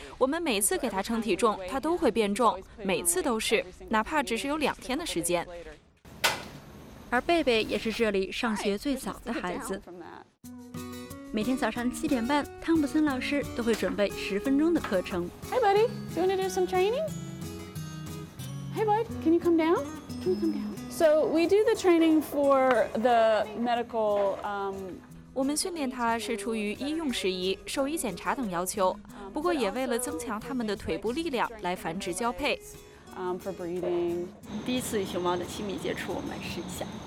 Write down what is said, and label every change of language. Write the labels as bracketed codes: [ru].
[zh] 我们每次给它称体重，它都会变重，每次都是，哪怕只是有2天的时间。而贝贝也是这里上学最早的孩子。每天早上7点半，汤普森老师都会准备10分钟的课程。 [en] Hey buddy, do you want to do some training? Hey bud, can you come down? Can you come down? So we do the training for the medical. [zh] 我们训练它是出于医用事宜、兽医检查等要求，不过也为了增强它们的腿部力量来繁殖交配。 [en] For breeding. [zh] 第一次与熊猫的亲密接触，我们来试一下。